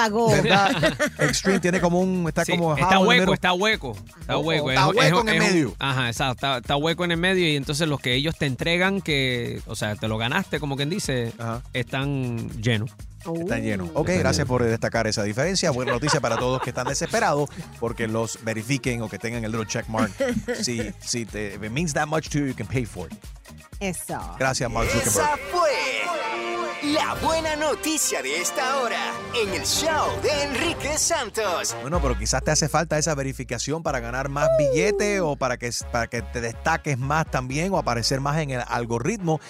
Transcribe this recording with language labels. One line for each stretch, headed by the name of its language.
Spanish: ¿Verdad? Extreme tiene como un... Está hueco en el medio. Está hueco en el medio y entonces los que ellos te entregan, que, o sea, te lo ganaste, como quien dice... Ajá. Están llenos. Ok, gracias por destacar esa diferencia. Buena noticia para todos que están desesperados porque los verifiquen o que tengan el
English: little check mark.
Spanish: Si te,
English: if it means that much to you, you can pay for it.
Spanish: Eso. Gracias, Mark Zuckerberg. Esa fue la buena noticia de esta hora en el show de Enrique Santos. Bueno, pero quizás te hace falta esa verificación para ganar más billete o para que te destaques más también o aparecer más en el algoritmo.